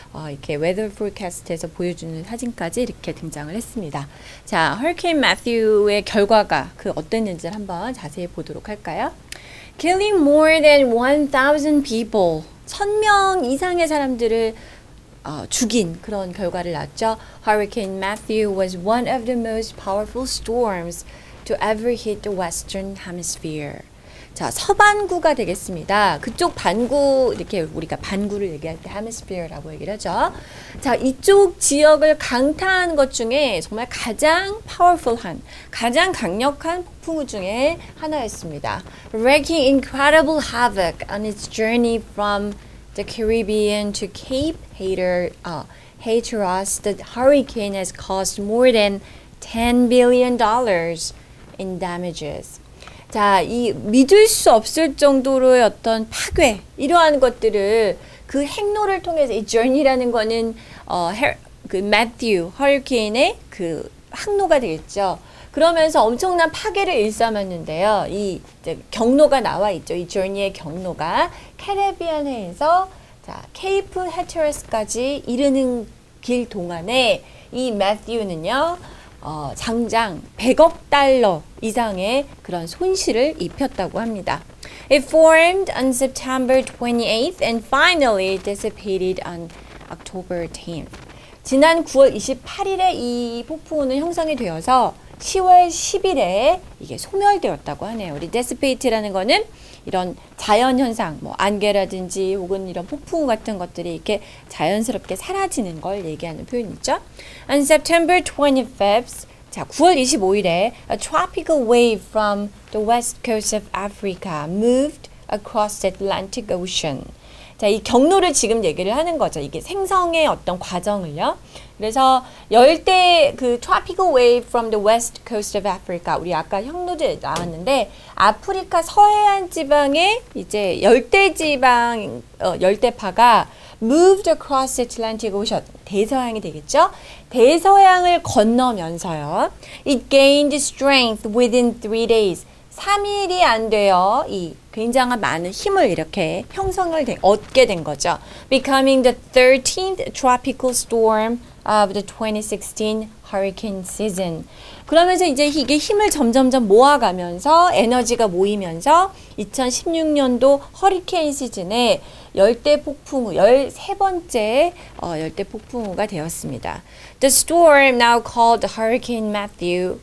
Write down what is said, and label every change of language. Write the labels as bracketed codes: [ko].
[ko] 이렇게 웨더 포캐스트에서 보여주는 사진까지 이렇게 등장을 했습니다. 자, 허리케인 매튜의 결과가 그 어땠는지 한번 자세히 보도록 할까요? [en] Killing more than 1,000 people. [ko] 1,000명 이상의 사람들을 죽인 그런 결과를 낳았죠. [en] Hurricane Matthew was one of the most powerful storms to ever hit the Western Hemisphere. [ko] 자, 서반구가 되겠습니다. 그쪽 반구, 이렇게 우리가 반구를 얘기할 때 Hemisphere라고 얘기를 하죠. 자, 이쪽 지역을 강타한 것 중에 정말 가장 powerful한, 가장 강력한 폭풍우 중에 하나였습니다. [en] Wreaking incredible havoc on its journey from The Caribbean to Cape Hatteras, the hurricane has caused more than $10 billion in damages. [ko] 자, 이 믿을 수 없을 정도로 어떤 파괴, 이러한 것들을 그 행로를 통해서 이 journey라는 거는 그 매튜, 허리케인의 그 항로가 되겠죠. 그러면서 엄청난 파괴를 일삼았는데요. 이 이제 경로가 나와 있죠. 이 journey의 경로가 캐리비안에서 자, 케이프 해처리스까지 이르는 길 동안에 이 매튜는요, 장장 100억 달러 이상의 그런 손실을 입혔다고 합니다. [en] It formed on September 28th and finally dissipated on October 10th. [ko] 지난 9월 28일에 이 폭풍우는 형성이 되어서 10월 10일에 이게 소멸되었다고 하네요. 우리 dissipate라는 거는 이런 자연현상, 뭐 안개라든지 혹은 이런 폭풍우 같은 것들이 이렇게 자연스럽게 사라지는 걸 얘기하는 표현이죠. [en] On September 25th, [ko] 자, 9월 25일에 [en] a tropical wave from the west coast of Africa moved across the Atlantic Ocean. [ko] 자, 이 경로를 지금 얘기를 하는 거죠. 이게 생성의 어떤 과정을요. 그래서 열대 그 [en] tropical wave from the west coast of Africa. [ko] 우리 아까 형로들 나왔는데 아프리카 서해안 지방에 이제 열대 지방 열대파가 [en] moved across the Atlantic Ocean [ko] 대서양이 되겠죠? 대서양을 건너면서요. [en] It gained strength within 3 days. [ko] 3일이 안 돼요. 이 굉장한 많은 힘을 이렇게 형성을 얻게 된 거죠. [en] Becoming the 13th tropical storm of the 2016 hurricane season. [ko] 그러면서 이제 이게 힘을 점점점 모아가면서 에너지가 모이면서 2016년도 허리케인 시즌에 열대 폭풍우, 13번째 열대 폭풍우가 되었습니다. [en] The storm now called Hurricane Matthew.